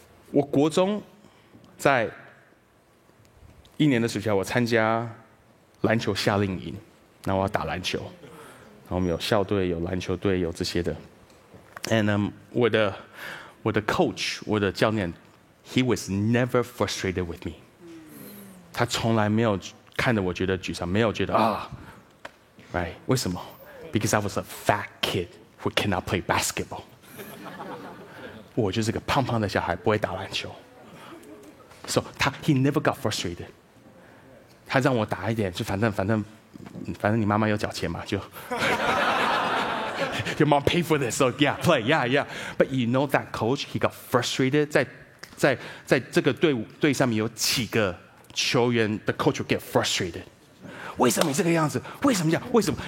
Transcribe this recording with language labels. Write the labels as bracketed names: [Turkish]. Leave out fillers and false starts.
[Chinese] 我国中在一年的暑假，我参加篮球夏令营，那我要打篮球，然后我们有校队，有篮球队，有这些的。 [English] And、 [Chinese] 我的 [English] coach， [Chinese] 我的教练， [English] He was never frustrated with me。 [Chinese] 他从来没有看着我觉得沮丧，没有觉得啊、right， 为什么？ [English] Because I was a fat kid who cannot play basketball。 [Chinese] 我就是个胖胖的小孩，不会打篮球。 [English] So he never got frustrated。 [Chinese] 他让我打一点，就反正你妈妈有缴钱嘛，就 [English] Your mom paid for this, so yeah, play, yeah, yeah. But you know that coach, he got frustrated [Chinese] 在这个队上面有几个球员 [English] ，the coach will get frustrated。 [Chinese] 为什么这个样子？为什么这样？为什么？